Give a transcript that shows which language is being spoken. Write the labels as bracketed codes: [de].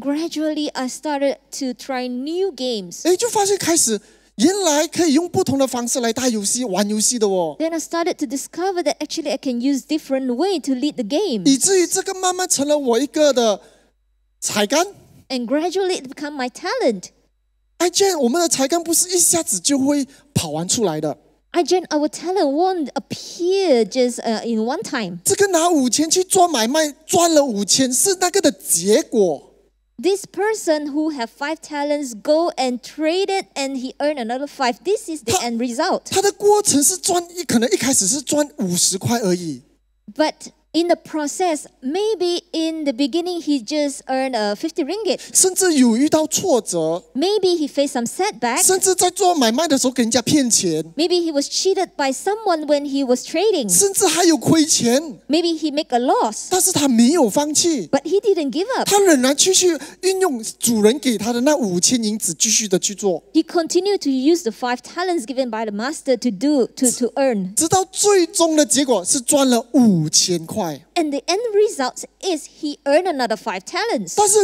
[en] gradually, I started to try new games. [zh] 哎，就发现开始。原来可以用不同的方式来带游戏、玩游戏的哦。Then [en] I started to discover that actually I can use different way to lead the game. [zh] 以至于这个慢慢成了我一个的才干。And [en] gradually it become my talent. [zh] iGen, 我们的才干不是一下子就会跑完出来的。iGen, [en] our talent won't appear just in one time. [zh] 这个拿5000去做买卖，赚了5000，是那个的结果。 [en] This person who have 5 talents go and trade it and he earn another 5. This is the end result. [zh] 他的过程是赚，可能一开始是赚50块而已。 [en] But in the process, maybe in the beginning he just earned a 50 ringgit. [zh] 甚至有遇到挫折。 [en] Maybe he faced some setbacks. [zh] 甚至在做买卖的时候给人家骗钱。 [en] Maybe he was cheated by someone when he was trading. [zh] 甚至还有亏钱。 [en] Maybe he make a loss. [zh] 但是他没有放弃。 [en] But he didn't give up. [zh] 他仍然继续运用主人给他的那5000银子继续的去做。 [en] He continued to use the 5 talents given by the master to earn. [zh] 直到最终的结果是赚了5000块。 [en] And the end result is he earned another 5 talents.